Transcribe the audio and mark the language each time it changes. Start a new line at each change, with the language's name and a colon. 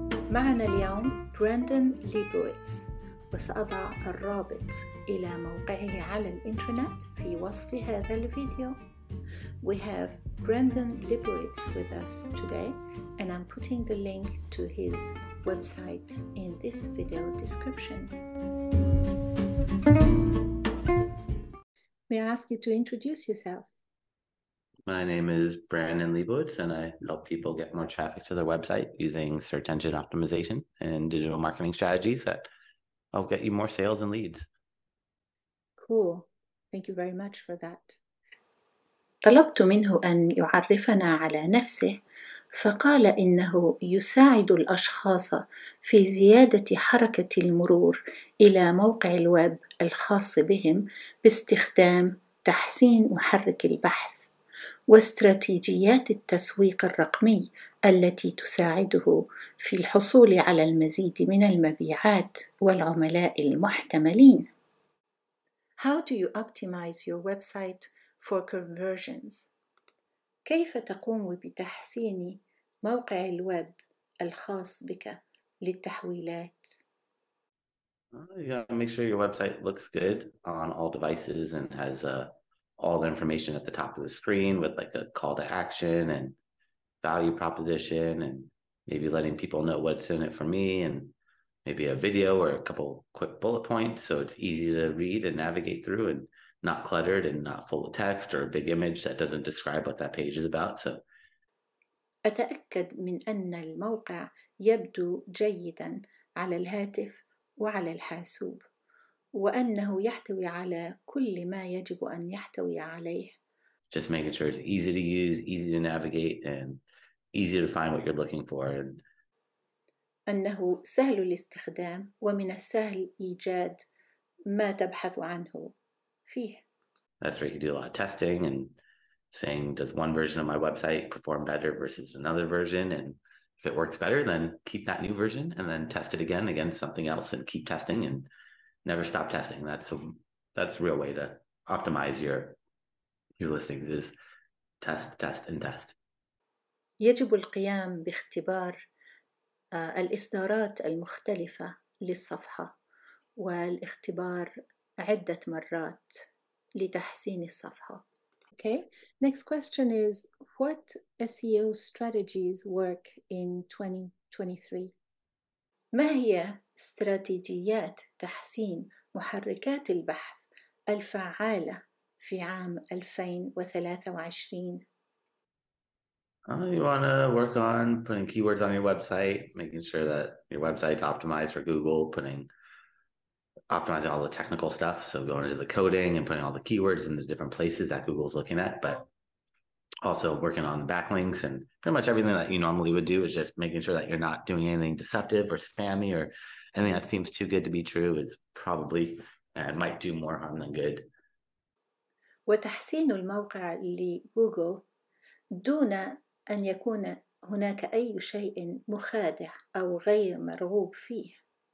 Arabic: معنا اليوم براندن ليبويتس، وسأضع الرابط إلى موقعه على الإنترنت في وصف هذا الفيديو.
English: We have Brandon Liebowitz with us today, and I'm putting the link to his website in this video description. May I ask you to introduce yourself? My name is Brandon Liebowitz, and I help people get more traffic to their website using search engine optimization and digital marketing strategies that will get you more sales and leads. Cool. Thank you very much for that.
Arabic: طلبت منه أن يعرفنا على نفسه، فقال إنه يساعد الأشخاص في زيادة حركة المرور إلى موقع الويب الخاص بهم باستخدام تحسين محرك البحث واستراتيجيات التسويق الرقمي التي تساعده في الحصول على المزيد من المبيعات والعملاء المحتملين.
English: How do you optimize your website for conversions?
Arabic: كيف تقوم بتحسين موقع الويب الخاص بك للتحويلات؟
English: You gotta make sure your website looks good on all devices and has all the information at the top of the screen with like a call to action and value proposition and maybe letting people know what's in it for me and maybe a video or a couple quick bullet points so it's easy to read and navigate through and not cluttered and not full of text or a big image that doesn't describe what that page is about. So
Arabic: أتأكد من أن الموقع يبدو جيدا على الهاتف وعلى الحاسوب، وأنه يحتوي على كل ما يجب أن يحتوي عليه.
English: Just making sure it's easy to use, easy to navigate, and easy to find what you're looking for.
Arabic: أنه سهل الاستخدام ومن السهل إيجاد ما تبحث عنه.
English: That's where you can do a lot of testing and saying, does one version of my website perform better versus another version? And if it works better, then keep that new version and then test it again against something else and keep testing and never stop testing. That's a real way to optimize your listings is test, test, and test.
Arabic: يجب القيام باختبار الإصدارات المختلفة للصفحة والاختبار عدة مرات لتحسين الصفحة.
English: Okay. Next question is, what SEO strategies work in 2023?
Arabic: ما هي استراتيجيات تحسين محركات البحث الفعالة في عام 2023؟
English: You want to work on putting keywords on your website, making sure that your website's optimized for Google, optimizing all the technical stuff, so going into the coding and putting all the keywords in the different places that Google's looking at, but also working on backlinks and pretty much everything that you normally would do is just making sure that you're not doing anything deceptive or spammy or anything that seems too good to be true is probably and might do more harm than good.
Arabic: وتحسين الموقع لجوجل دون أن يكون هناك أي شيء مخادع أو غير مرغوب فيه.